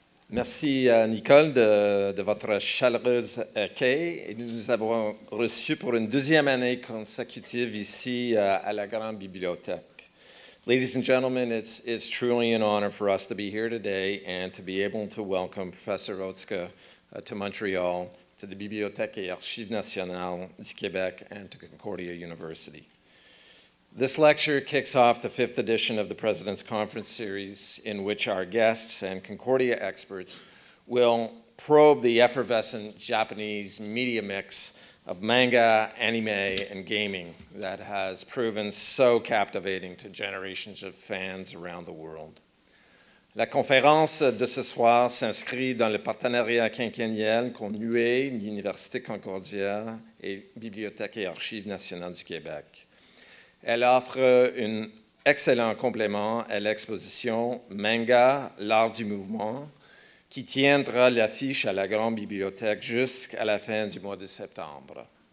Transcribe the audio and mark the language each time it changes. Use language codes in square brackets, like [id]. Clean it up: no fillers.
[fr] Merci à Nicole de votre chaleureuse accueil. Nous nous avons reçus pour une deuxième année consécutive ici à la Grande Bibliothèque. [en] Ladies and gentlemen, it's truly an honor for us to be here today and to be able to welcome Professor Otsuka to Montreal, to the Bibliothèque et Archives nationales du Québec and to Concordia University. This lecture kicks off the fifth edition of the President's Conference Series, in which our guests and Concordia experts will probe the effervescent Japanese media mix of manga, anime, and gaming that has proven so captivating to generations of fans around the world. [fr] La conférence de ce soir s'inscrit dans le partenariat quinquennial conclué l'Université Concordia et Bibliothèque et Archives nationales du Québec. Elle offre un excellent complément à l'exposition Manga, l'art du mouvement, qui tiendra l'affiche à la Grande Bibliothèque jusqu'à la fin du mois de septembre.